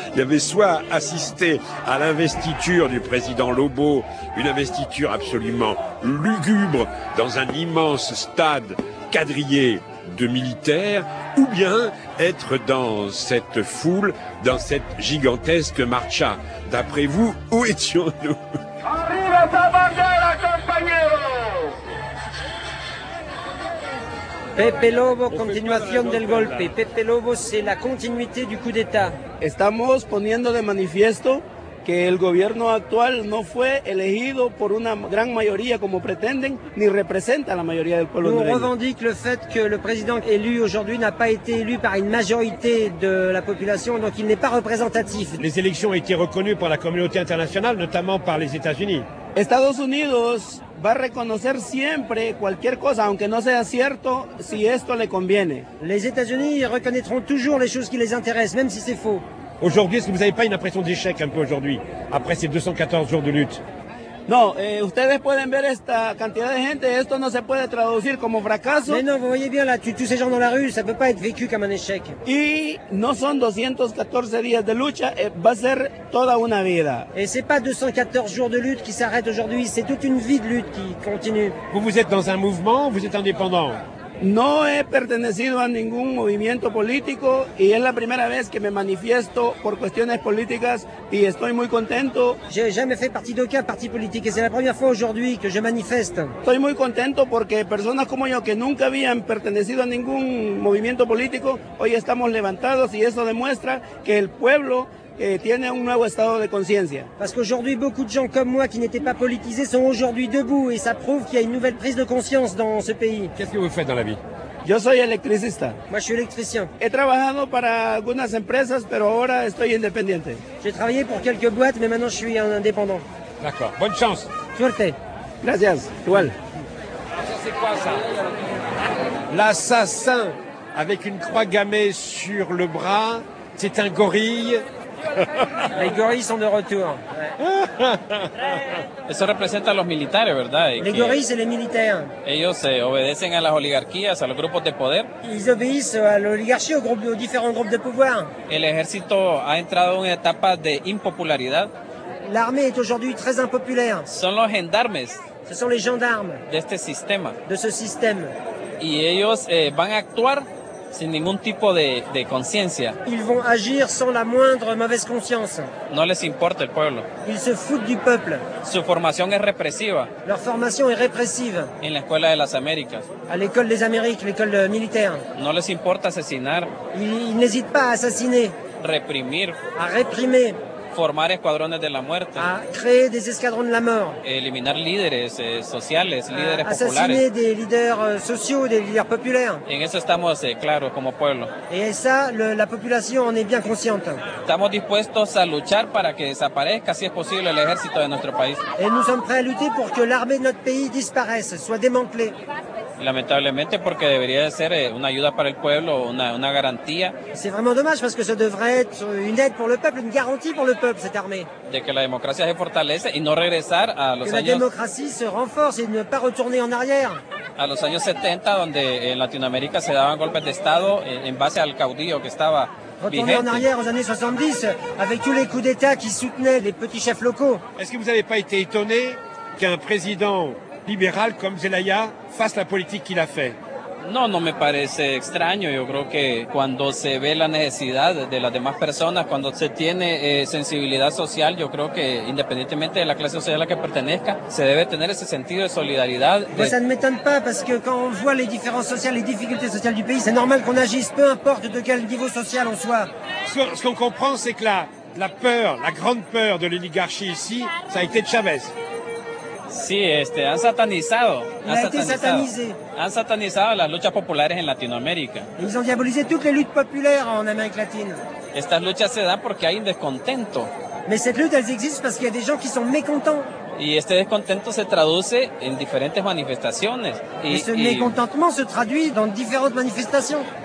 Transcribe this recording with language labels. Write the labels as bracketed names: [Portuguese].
[French] Il y avait soit assister à l'investiture du président Lobo, une investiture absolument lugubre dans un immense stade quadrillé de militaires, ou bien être dans cette foule, dans cette gigantesque marcha. D'après vous, où étions-nous? [Spanish] Arriba ta bandera, compañero! Pepe Lobo, continuación del golpe. [French] Pepe Lobo, c'est la continuité du coup d'État. [Spanish] Estamos poniendo de manifiesto que el gobierno actual no fue elegido por una gran mayoría como pretenden ni representa la mayoría del pueblo hondureño. [French] On revendique le fait que le président élu aujourd'hui n'a pas été élu par une majorité de la population, donc il n'est pas représentatif. Les élections ont été reconnues par la communauté internationale, notamment par les États-Unis. [Spanish] Estados Unidos va a reconocer siempre cualquier cosa, aunque no sea cierto, si esto le conviene. [French] Les États-Unis reconnaîtront toujours les choses qui les intéressent, même si c'est faux. Aujourd'hui, est-ce que vous n'avez pas une impression d'échec un peu aujourd'hui, après ces 214 jours de lutte? [Spanish] Non, ustedes pueden ver esta cantidad de gente, esto no se puede traducir como fracaso. [French] Mais non, vous voyez bien là, tous ces gens dans la rue, ça ne peut pas être vécu comme un échec. [Spanish] Y no son 214 días de lucha, va a ser toda una vida. [French] Et ce n'est pas 214 jours de lutte qui s'arrête aujourd'hui, c'est toute une vie de lutte qui continue. Vous êtes dans un mouvement, vous êtes indépendant? [Spanish] No he pertenecido a ningún movimiento político y es la primera vez que me manifiesto por cuestiones políticas y estoy muy contento. [French] J'ai jamais fait partie d'aucun parti politique et c'est la première fois aujourd'hui que je manifeste. [Spanish] Estoy muy contento porque personas como yo que nunca habían pertenecido a ningún movimiento político, hoy estamos levantados y eso demuestra que el pueblo tiene un nuevo estado de conciencia. [French] Parce qu'aujourd'hui beaucoup de gens comme moi qui n'étaient pas politisés sont aujourd'hui debout et ça prouve qu'il y a une nouvelle prise de conscience dans ce pays. Qu'est-ce que vous faites dans la vie? [Spanish] Yo soy electricista. [French] Moi je suis électricien. [Spanish] He trabajado para algunas empresas, pero ahora estoy independiente. [French] J'ai travaillé pour quelques boîtes mais maintenant je suis indépendant. D'accord. Bonne chance. [Spanish] Suerte. Gracias. Igual. [French] C'est quoi ça? L'assassin avec une croix gammée sur le bras, c'est un gorille. Les gorilles sont de retour. [Spanish] Eso representa a los militares, ¿verdad? [French] Les gorilles, c'est les militaires. [Spanish] Ellos obedecen a las oligarquías, a los grupos de poder. [French] Ils obéissent à l'oligarchie, aux différents groupes de pouvoir. [Spanish] El ejército ha entrado en etapa de impopularidad. [French] L'armée est aujourd'hui très impopulaire. [Spanish] Son los gendarmes. [French] Ce sont les gendarmes. [Spanish] De este sistema. [French] De ce système. [Spanish] Y ellos van a actuar sin ningún tipo de conciencia. [French] Ils vont agir sans la moindre mauvaise conscience. [Spanish] No les importa el pueblo. [French] Ils se foutent du peuple. [Spanish] Su formación es represiva. [French] Leur formation est répressive. [Spanish] En la escuela de las Américas. [French] À l'école des Amériques, l'école militaire. [Spanish] No les importa asesinar. [French] Ils n'hésitent pas à assassiner. [Spanish] Reprimir. [French] À réprimer. [Spanish] Formar escuadrones de la muerte. [French] À créer des escadrons de la mort. [Spanish] Eliminar líderes sociales, líderes populares. [French] Assassiner des leaders sociaux, des leaders populaires. [Spanish] En eso estamos claros como pueblo. [French] Et ça, la population en est bien consciente. [Spanish] Estamos dispuestos a luchar para que desaparezca, si es posible, el ejército de nuestro país. [French] Et nous sommes prêts à lutter pour que l'armée de notre pays disparaisse, soit démantelée. [Spanish] Lamentablemente, porque debería ser una ayuda para el pueblo, una garantía. [French] C'est vraiment dommage parce que ça devrait être une aide pour le peuple, une garantie pour le peuple, cette armée. [Spanish] De que la democracia se fortalece y no regresar a los que años. [French] Que la démocratie se renforce et ne pas retourner en arrière. [Spanish] A los años 70, donde en Latinoamérica se daban golpes de estado en base al caudillo que estaba. [French] Retourner en arrière aux années 70 avec tous les coups d'État qui soutenaient les petits chefs locaux. Est-ce que vous n'avez pas été étonné qu'un président libéral comme Zelaya fasse la politique qu'il a fait? [Spanish] No, no me parece extraño. Yo creo que cuando se ve la necesidad de las demás personas, cuando se tiene sensibilidad social, yo creo que independientemente de la clase social a la que pertenezca, se debe tener ese sentido de solidaridad. [French] Pues ça ne m'étonne pas, parce que quand on voit les différences sociales, les difficultés sociales du pays, c'est normal qu'on agisse, peu importe de quel niveau social on soit. Ce qu'on comprend, c'est que la peur, la grande peur de l'oligarchie ici, ça a été de Chavez. [Spanish] Sí, han satanizado. [French] Il a été satanisé. [Spanish] Han satanizado las luchas populares en Latinoamérica. [French] Ils ont diabolisé toutes les luttes populaires en Amérique latine. [Spanish] Estas luchas se dan porque hay un descontento. [French] Mais cette lutte, elles existent parce qu'il y a des gens qui sont mécontents. [Spanish] Y este descontento se traduce en diferentes manifestaciones. [French] Et ce mécontentement se traduit dans différentes manifestations.